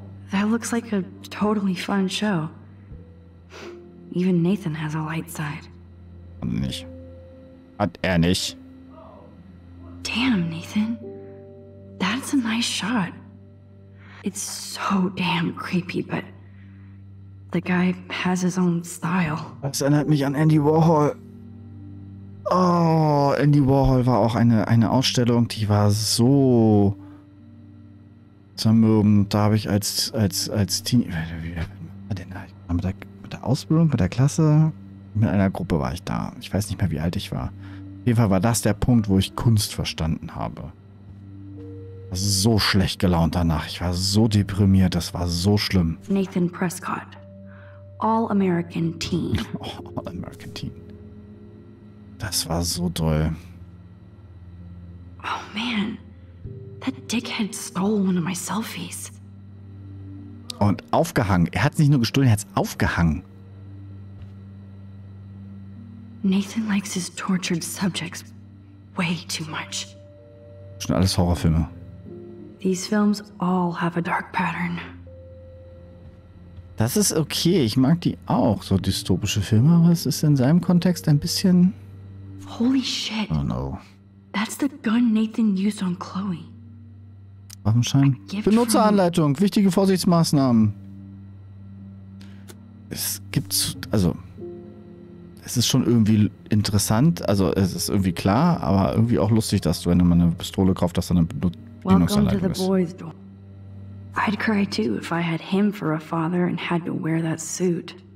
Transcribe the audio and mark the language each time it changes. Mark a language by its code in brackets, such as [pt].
[en] That looks like a totally fun show. Even Nathan has a light side. [de] Hat er nicht. [en] Damn, Nathan. That's a nice shot. It's so damn creepy, but the guy has his own style. [de] Das erinnert mich an Andy Warhol. Oh, Andy Warhol war auch eine Ausstellung, die war so zermürbend. Da habe ich als Teenie, mit der Ausbildung, mit der Klasse, mit einer Gruppe war ich da. Ich weiß nicht mehr, wie alt ich war. Auf jeden Fall war das der Punkt, wo ich Kunst verstanden habe. War so schlecht gelaunt danach. Ich war so deprimiert. Das war so schlimm. [en] Nathan Prescott, All American Teen. [de] Oh, All American Teen. Das war so toll. [en] Oh man, that dickhead stole one of my selfies. [de] Und aufgehangen. Er hat es nicht nur gestohlen, er hat es aufgehangen. [en] Nathan likes his tortured subjects way too much. [de] Schon alles Horrorfilme. [en] These films all have a dark pattern. [de] Das ist okay. Ich mag die auch, so dystopische Filme, aber es ist in seinem Kontext ein bisschen. [en] Holy shit. Oh no. That's the gun Nathan used on Chloe. [de] Waffenschein. Benutzeranleitung. Wichtige Vorsichtsmaßnahmen. Es gibt. Also. Es ist schon irgendwie interessant. Also, es ist irgendwie klar, aber irgendwie auch lustig, dass du, wenn du mal eine Pistole kaufst, dass dann eine Benutzeranleitung ist. [en] I'd cry too, if I had him for a father and had to wear that suit.